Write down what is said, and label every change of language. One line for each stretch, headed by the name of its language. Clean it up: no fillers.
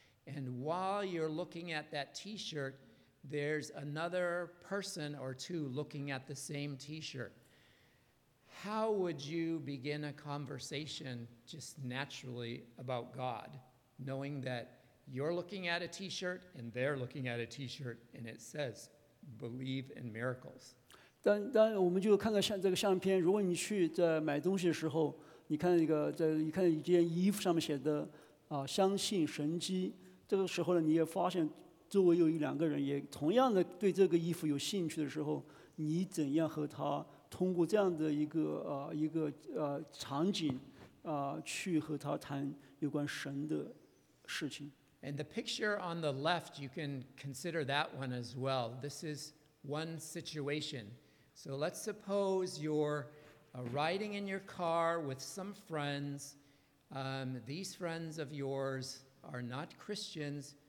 English: And while you're looking at that T-shirt, there's another person or two looking at the same T-shirt. How would you begin a conversation just naturally about God, knowing that you're looking at a T-shirt and they're looking at a T-shirt and it says, believe in miracles?
Chinese: 但我们就看看像这个相片，如果你去在买东西的时候，你看一个，在你看一件衣服上面写的相信神迹。这个时候呢，你也发现周围有一两个人也同样的对这个衣服有兴趣的时候，你怎样和他通过这样的一个场景去和他谈有关神的事情。
English: And the picture on the left, you can consider that one as well. This is one situation. So let's suppose you're riding in your car with some friends. These friends of yours are not Christians,